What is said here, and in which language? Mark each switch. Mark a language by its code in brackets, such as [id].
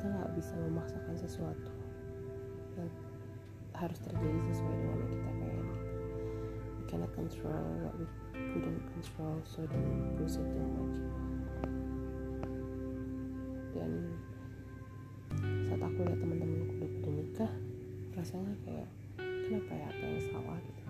[id] Bisa memaksakan sesuatu yang harus terjadi sesuai dengan yang kita pengen. [en] We cannot control what we couldn't control, so don't push it too much. [id] Dan saat aku lihat teman-temanku udah pada nikah, rasanya kayak kenapa ya, apa yang salah gitu.